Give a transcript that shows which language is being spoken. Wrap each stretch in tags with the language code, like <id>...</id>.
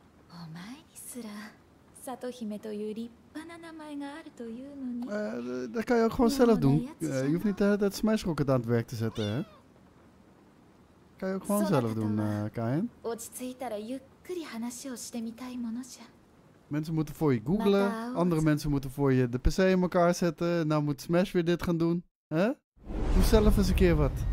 <ja>お前にすら里姫という立派な名前があるというのに。</ja> <nl>Dat kan je ook gewoon zelf doen. Je hoeft niet altijd het smijschokken aan het werk te zetten, hè? Kan je ook gewoon zelf doen, Kaien.</nl> <ja>落ち着いたらゆっくり話をしてみたいものじゃ。</ja> <nl>Mensen moeten voor je googlen, andere mensen moeten voor je de PC in elkaar zetten. Nou moet Smash weer dit gaan doen. Hè? Doe zelf eens een keer wat.</nl>